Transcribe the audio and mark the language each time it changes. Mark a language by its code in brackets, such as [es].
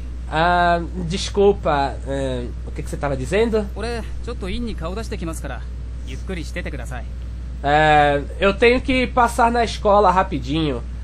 [pt] Ah, desculpa. O que que você estava dizendo? [ja] これちょっと院に顔出してきますからゆっくりしててください。 [pt] Eu tenho que passar na escola rapidinho.